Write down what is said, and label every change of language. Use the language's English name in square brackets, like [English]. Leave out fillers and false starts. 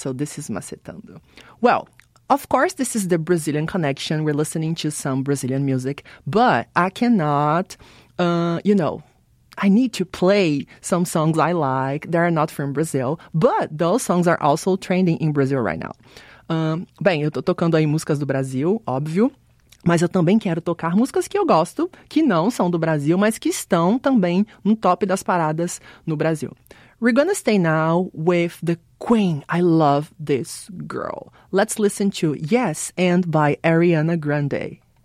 [English] So this is Macetando. Well, of course, this is the Brazilian connection. We're listening to some Brazilian music, but I cannot... I need to play some songs I like that are not from Brazil, but those songs are also trending in Brazil right now. [Portuguese] Bem, eu tô tocando aí músicas do Brasil, óbvio, mas eu também quero tocar músicas que eu gosto, que não são do Brasil, mas que estão também no top das paradas no Brasil. [English] We're gonna stay now with the queen. I love this girl. Let's listen to Yes And by Ariana Grande.